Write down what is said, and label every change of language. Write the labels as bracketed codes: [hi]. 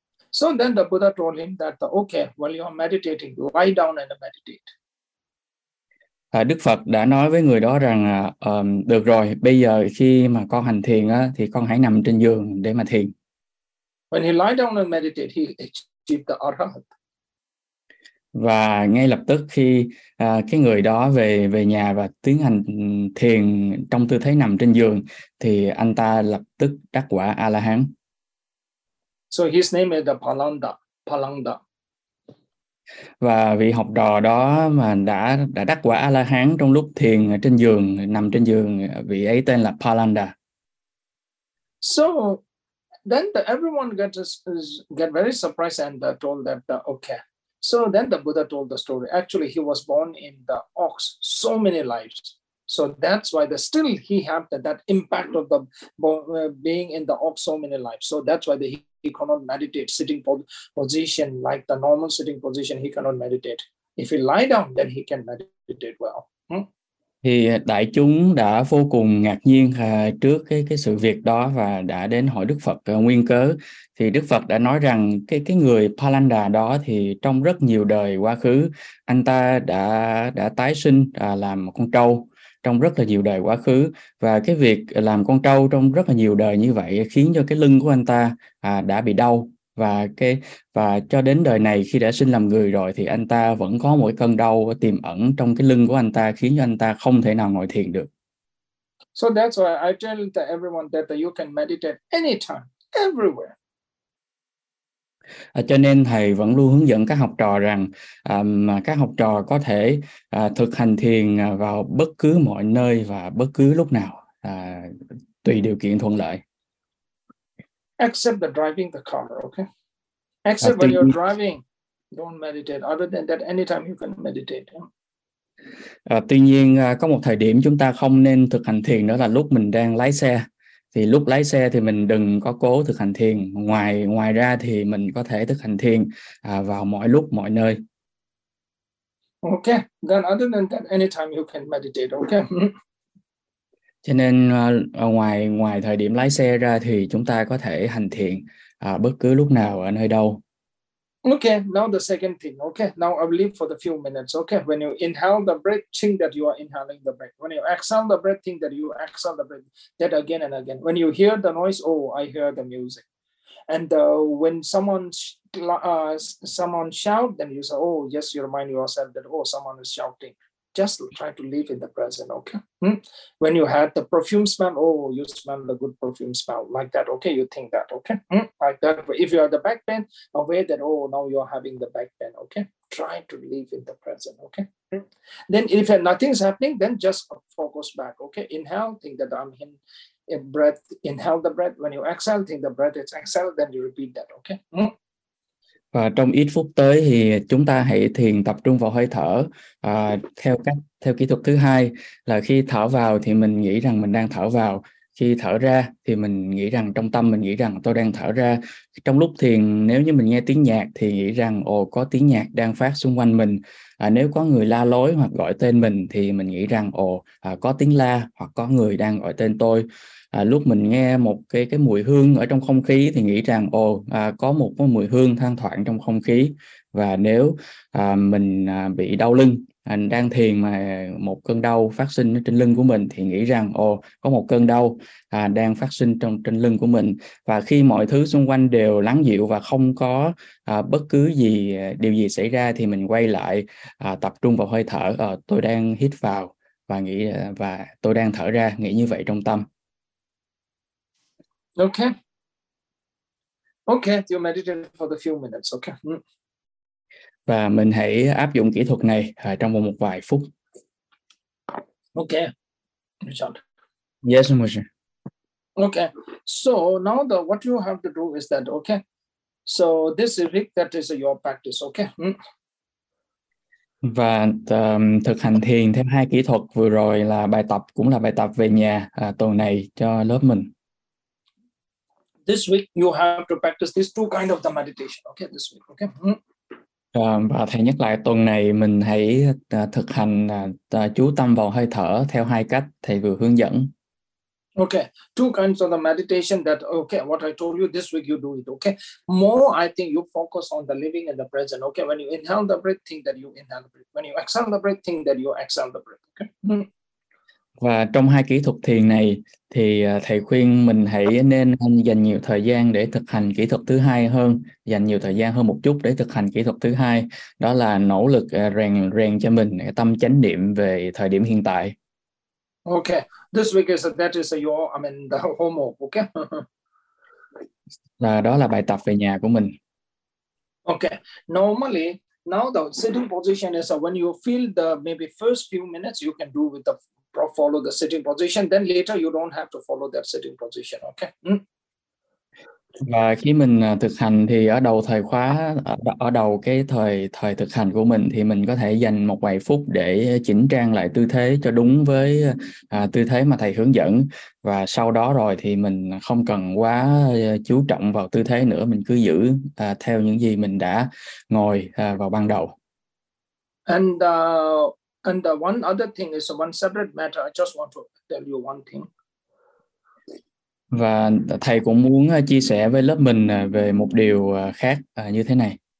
[en] So then the Buddha told him that okay, while you are meditating, lie down and meditate. [vi] Đức Phật đã nói với người đó rằng được rồi, bây giờ khi mà con hành thiền á thì con hãy nằm trên giường để mà thiền. [en] When he lie down and meditate, he achieved the arahat. [vi] Và ngay lập tức khi cái người đó về nhà và tiến hành thiền trong tư thế nằm trên giường, thì anh ta lập tức đắc quả A-la-hán. [en] So his name is the Palanda. Palanda. [vi] Và vị học trò đó mà đã đắc quả A-la-hán trong lúc thiền trên giường, nằm trên giường, vị ấy tên là Palanda. [en] So then everyone get very surprised and told that okay. So then the Buddha told the story. Actually, he was born in the ox so many lives. So that's why still he had that impact of the being in the ox so many lives. So that's why he cannot meditate sitting position like the normal sitting position. He cannot meditate. If he lie down, then he can meditate well. [vi] Thì đại chúng đã vô cùng ngạc nhiên trước cái sự việc đó và đã đến hỏi Đức Phật nguyên cớ. Thì Đức Phật đã nói rằng cái người Palanda đó thì trong rất nhiều đời quá khứ, anh ta đã tái sinh làm con trâu trong rất là nhiều đời quá khứ. Và cái việc làm con trâu trong rất là nhiều đời như vậy khiến cho cái lưng của anh ta đã bị đau. Và cho đến đời này khi đã sinh làm người rồi thì anh ta vẫn có một cơn đau tiềm ẩn trong cái lưng của anh ta khiến cho anh ta không thể nào ngồi thiền được. [en] So that's why I tell everyone that you can meditate anytime, everywhere. [vi] Cho nên thầy vẫn luôn hướng dẫn các học trò rằng các học trò có thể thực hành thiền vào bất cứ mọi nơi và bất cứ lúc nào, tùy điều kiện thuận lợi. [en] Except the driving the car, okay? Except when you're driving, don't meditate. Other than that, anytime you can meditate. [vi] Tuy nhiên, có một thời điểm chúng ta không nên thực hành thiền, đó là lúc mình đang lái xe. Thì lúc lái xe thì mình đừng có cố thực hành thiền. Ngoài ra thì mình có thể thực hành thiền vào mọi lúc, mọi nơi. [en] Okay, then other than that, anytime you can meditate, okay? [vi] Cho nên ngoài thời điểm lái xe ra thì chúng ta có thể hành thiền bất cứ lúc nào ở nơi đâu. [en] Okay, now the second thing. Okay, now I'll leave for the few minutes. Okay, when you inhale the breath, think that you are inhaling the breath. When you exhale the breath, think that you exhale the breath. That again and again. When you hear the noise, oh, I hear the music. And when someone shout, then you say, oh, just remind yourself that, oh, someone is shouting. Just try to live in the present, okay? Hmm? When you had the perfume smell, oh, you smell the good perfume smell, like that, okay? You think that, okay? Hmm? Like that. If you have the back pain, aware that, oh, now you're having the back pain, okay? Try to live in the present, okay? Hmm? Then if nothing's happening, then just focus back, okay? Inhale, think that I'm in. In breath, inhale the breath. When you exhale, think the breath is exhale, then you repeat that, okay? Hmm? [vi] Và trong ít phút tới thì chúng ta hãy thiền tập trung vào hơi thở theo kỹ thuật thứ hai là khi thở vào thì mình nghĩ rằng mình đang thở vào, khi thở ra thì mình nghĩ rằng trong tâm mình nghĩ rằng tôi đang thở ra. Trong lúc thiền, nếu như mình nghe tiếng nhạc thì nghĩ rằng ồ, có tiếng nhạc đang phát xung quanh mình. Nếu có người la lối hoặc gọi tên mình thì mình nghĩ rằng ồ, có tiếng la hoặc có người đang gọi tên tôi. Lúc mình nghe một cái mùi hương ở trong không khí thì nghĩ rằng ồ, có một cái mùi hương thoang thoảng trong không khí. Và nếu mình bị đau lưng, anh đang thiền mà một cơn đau phát sinh trên lưng của mình thì nghĩ rằng ồ, có một cơn đau đang phát sinh trên lưng của mình. Và khi mọi thứ xung quanh đều lắng dịu và không có bất cứ gì điều gì xảy ra thì mình quay lại tập trung vào hơi thở. Tôi đang hít vào và nghĩ và tôi đang thở ra, nghĩ như vậy trong tâm. [en] Okay, you meditate for the few minutes, okay? Mm. [vi] Và mình hãy áp dụng kỹ thuật này trong một vài phút. [en] Okay, Richard. Yes, Moshe. Okay, so now what you have to do is that, okay? So this is Rick, that is your practice, okay? Mm. [vi] Và thực hành thiền thêm hai kỹ thuật vừa rồi là bài tập, cũng là bài tập về nhà tuần này cho lớp mình. [en] This week you have to practice these two kind of the meditation. Okay, this week. Okay. Mm. [vi] Và thầy nhắc lại tuần này mình hãy thực hành chú tâm vào hơi thở theo hai cách thầy vừa hướng dẫn. [en] Okay, two kinds of the meditation that okay. What I told you this week you do it. Okay. More I think you focus on the living in the present. Okay. When you inhale the breath, think that you inhale the breath. When you exhale the breath, think that you exhale the breath. Okay. Mm. [vi] Và trong hai kỹ thuật thiền này thì thầy khuyên mình hãy nên dành nhiều thời gian để thực hành kỹ thuật thứ hai hơn, dành nhiều thời gian hơn một chút để thực hành kỹ thuật thứ hai, đó là nỗ lực rèn cho mình tâm chánh niệm về thời điểm hiện tại. [en] Okay, this week is that is your I mean the homework, okay? [vi] Là đó là bài tập về nhà của mình. [en] Okay, normally now the sitting position is when you feel the maybe first few minutes you can do with the follow the sitting position, then later you don't have to follow that sitting position, okay? Mm. [vi] Và khi mình thực hành thì ở đầu thời khóa, ở đầu cái thời thực hành của mình thì mình có thể dành một vài phút để chỉnh trang lại tư thế cho đúng với tư thế mà thầy hướng dẫn. Và sau đó rồi thì mình không cần quá chú trọng vào tư thế nữa, mình cứ giữ theo những gì mình đã ngồi vào ban đầu. [en] And one other thing is one separate matter. I just want to tell you one thing. [vi] Và thầy cũng muốn chia sẻ với lớp mình về một điều khác như thế này.